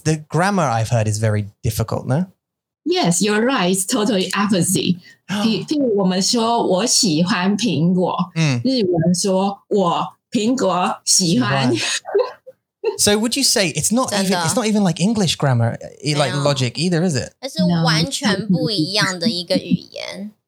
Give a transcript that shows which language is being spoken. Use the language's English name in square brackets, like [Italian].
[English] The grammar I've heard is very difficult, no? Yes, you're right. It's totally opposite. [Chinese] 譬如我们说我喜欢苹果。日文说我苹果喜欢。 [English] So would you say it's not even like English grammar, like logic either, is it? [Chinese] 是完全不一样的一个语言。